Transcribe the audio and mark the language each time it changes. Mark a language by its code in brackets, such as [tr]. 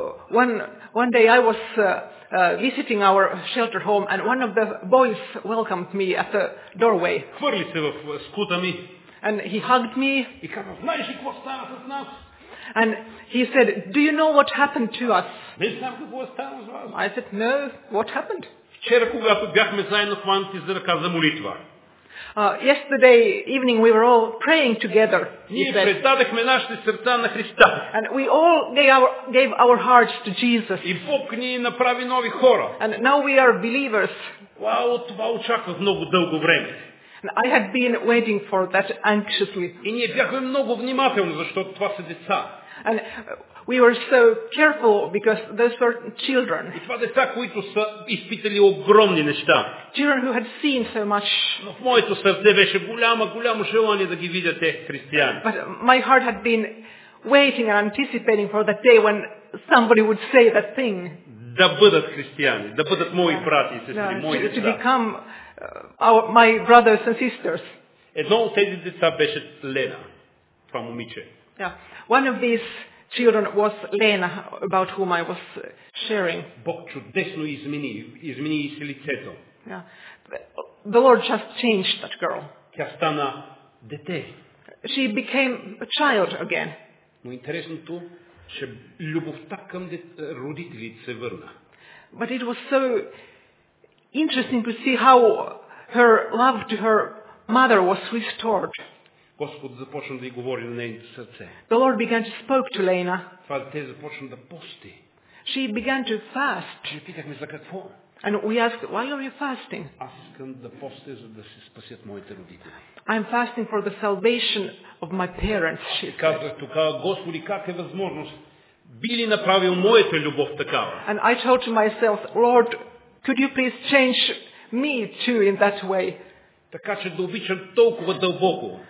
[en] One day I was visiting our shelter home and one of the boys welcomed me at the doorway. [bg] Хвърли се в скута ми. [en] And he hugged me. [bg] И каза, знаеш ли какво стана с нас? [en] And he said, do you know what happened to us? [bg] Не знам какво стана с вас. [en] I said, no, what happened? [bg] Вчера, когато бяхме заедно хванати за ръка за молитва. [en] Yesterday evening we were all praying together. [bg] Ние предадохме нашите сърца на Христа. [en] And we all gave our hearts to Jesus. [bg] И Бог ни направи нови хора. [en] And now we are believers. [bg] Вау, това очаквах много дълго време. [en] And I had been waiting for that anxiously. [bg] И ние бяхме много внимателни, защото това са деца. [en] And we were so careful because those were children. [bg] И това деца, които са изпитали огромни неща. [en] Children who had seen so much. [bg] Но в моето сърце беше голямо желание да ги видя те християни. [en] But my heart had been waiting and anticipating for that day when somebody would say that thing. [bg] Да бъдат християни, да бъдат мои брати и сестри, мои деца. [en] To become my brothers and sisters. [bg] Едно от тези деца беше Лена, това момиче. [en] Yeah. One of these children was Lena, about whom I was sharing. [bg] Бог чудесно измени и се лицето. [en] Yeah. The Lord just changed that girl. [bg] Тя стана дете. [en] She became a child again. [bg] Но интересното, че любовта към родителите се върна. [en] But it was so interesting to see how her love to her mother was restored. [bg] Господ започна да й говори на нейното сърце. [en] The Lord began to spoke to Lena. [bg] Това дете започна да пости. [en] She began to fast. [bg] Ние питахме за какво? [en] And we asked, why are you fasting? [bg] Аз искам да постя, за да се спасят моите родители. [en] I'm fasting for the salvation of my parents, she said. [bg] Казах тогава, Господи, как е възможност? Би ли направил моята любов такава? [en] And I told to myself, Lord, could you please change me too in that way? [bg] Така че да обичам толкова дълбоко.